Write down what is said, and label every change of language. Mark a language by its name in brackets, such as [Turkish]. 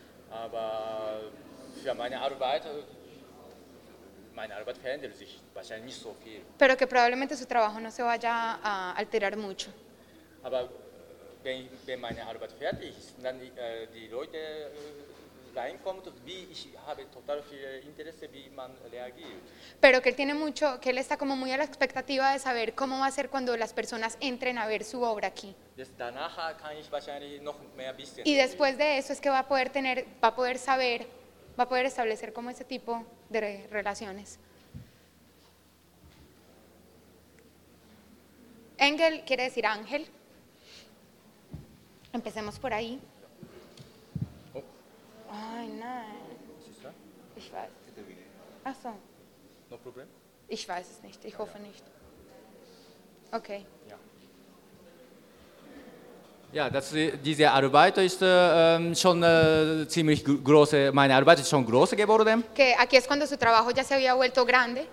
[German] Aber ja, meine Arbeit verändert sich wahrscheinlich nicht so viel. [Spanish] Pero que probablemente su trabajo no se vaya a alterar mucho. [German] Aber wenn meine Arbeit fertig ist, dann die Leute reinkommen, wie ich habe total viel Interesse, wie man reagiert. [Spanish] Pero que él tiene mucho, que él está como muy a la expectativa de saber cómo va a ser cuando las personas entren a ver su obra aquí. [German] Danach kann ich wahrscheinlich noch mehr wissen. [Spanish] Y después de eso es que va a poder establecer como ese tipo de relaciones. Engel quiere decir ángel. Empecemos por ahí. Oh. Ay, no. [German] Ich weiß. Ach so. [English] No problem? [German] Ich weiß es nicht. Ich hoffe nicht. Okay. Ja. Ja, diese Arbeit ist schon ziemlich große. Meine Arbeit ist schon groß geworden. [Spanish] Que aquí es cuando su trabajo ya se había vuelto grande.